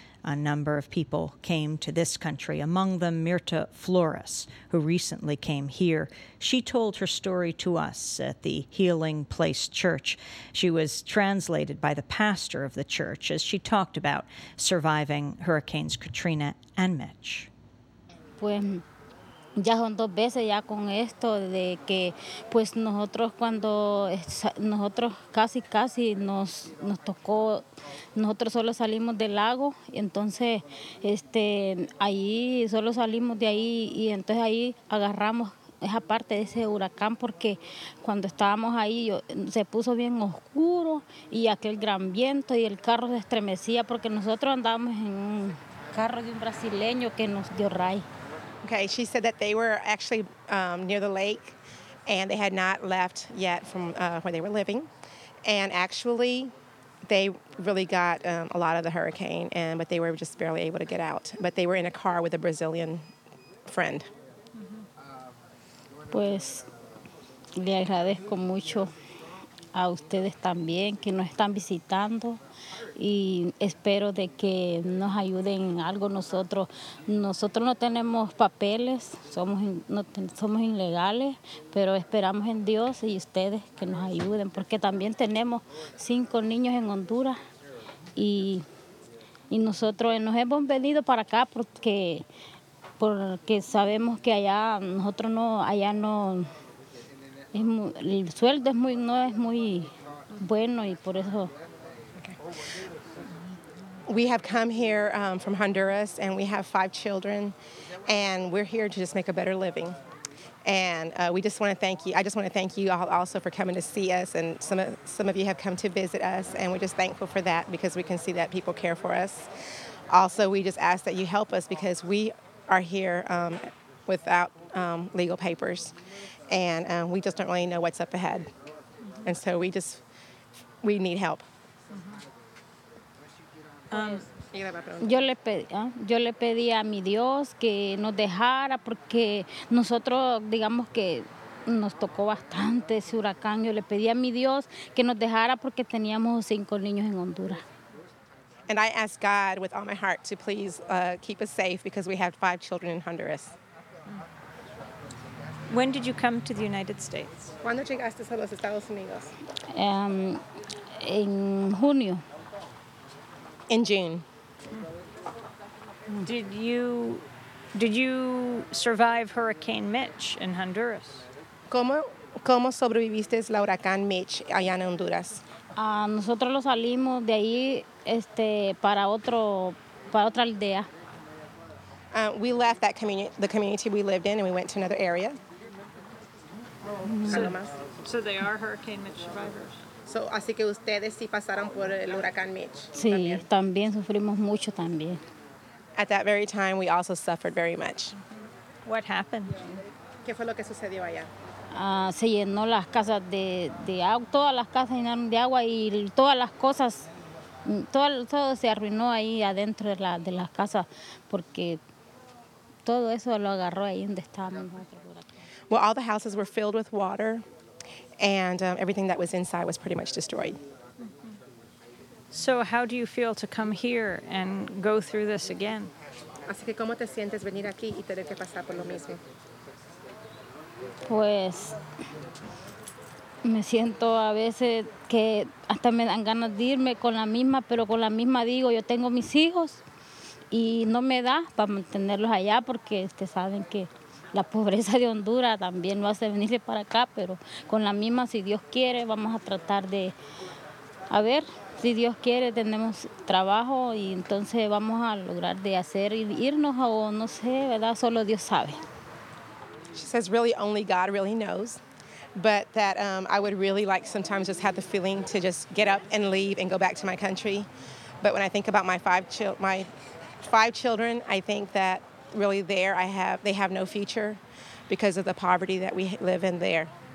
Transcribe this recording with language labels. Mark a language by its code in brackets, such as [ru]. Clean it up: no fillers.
[en] A number of people came to this country, among them Mirta Flores, who recently came here. She told her story to us at the Healing Place Church. She was translated by the pastor of the church as she talked about surviving Hurricanes Katrina and Mitch. [es] Bueno. Ya son dos veces ya con esto de que pues nosotros cuando nosotros casi nos tocó, nosotros solo salimos del lago, entonces ahí solo salimos de ahí y entonces ahí agarramos esa parte de ese huracán porque cuando estábamos ahí se puso bien oscuro y aquel gran viento y el carro se estremecía porque nosotros andábamos en un carro de un brasileño que nos dio ray. [en] Okay, she said that they were actually near the lake, and they had not left yet from where they were living. And actually, they really got a lot of the hurricane, and but they were just barely able to get out. But they were in a car with a Brazilian friend. Mm-hmm. [es] Pues, le agradezco mucho a ustedes también que nos están visitando. Y espero de que nos ayuden en algo nosotros. Nosotros no tenemos papeles, somos ilegales, pero esperamos en Dios y ustedes que nos ayuden, porque también tenemos 5 niños en Honduras y nosotros nos hemos venido para acá porque sabemos que allá no es muy, el sueldo es muy, no es muy bueno y por eso. [en] We have come here from Honduras, and we have 5 children, and we're here to just make a better living. And we just want to thank you. I just want to thank you all also for coming to see us, and some of you have come to visit us, and we're just thankful for that because we can see that people care for us. Also, we just ask that you help us because we are here without legal papers, and we just don't really know what's up ahead. And so we need help. [es] Yo le pedí a mi Dios que nos dejara porque nosotros digamos que nos tocó bastante ese huracán. Yo le pedí a mi Dios que nos dejara porque teníamos 5 niños en Honduras. [en] And I asked God with all my heart to please keep us safe because we have 5 children in Honduras. When did you come to the United States? [es] ¿Cuándo llegaste a los Estados Unidos? En junio. [en] In June. Did you survive Hurricane Mitch in Honduras? [es] ¿Cómo sobreviviste el huracán Mitch allá en Honduras? Nosotros lo salimos de ahí para otra aldea. [en] We left that the community we lived in, and we went to another area. So they are Hurricane Mitch survivors. [es] So así que ustedes sí pasaron por el huracán Mitch. Sí, también sufrimos mucho también. [en] At that very time, we also suffered very much. What happened? [es] ¿Qué fue lo que sucedió allá? Se llenó las casas de agua, todas las casas llenaron de agua y todas las cosas, todo se arruinó ahí adentro de las casas porque todo eso lo agarró ahí donde estábamos. [en] Well, all the houses were filled with water and everything that was inside was pretty much destroyed. So how do you feel to come here and go through this again? [es] Así que cómo te sientes venir aquí y tener que pasar por lo mismo. Pues me siento a veces que hasta me dan ganas de irme con la misma, pero con la misma digo, yo tengo mis hijos y no me da para mantenerlos allá porque ustedes saben que la pobreza de Honduras también lo hace venirse para acá, pero con la misma, si Dios quiere, vamos a tratar de, a ver, si Dios quiere, tenemos trabajo y entonces vamos a lograr de hacer irnos o no sé, ¿verdad? Solo Dios sabe. [en] She says really only God really knows, but that I would really like sometimes just have the feeling to just get up and leave and go back to my country. But when I think about my five children, I think that really there they have no future because of the poverty that we live in there.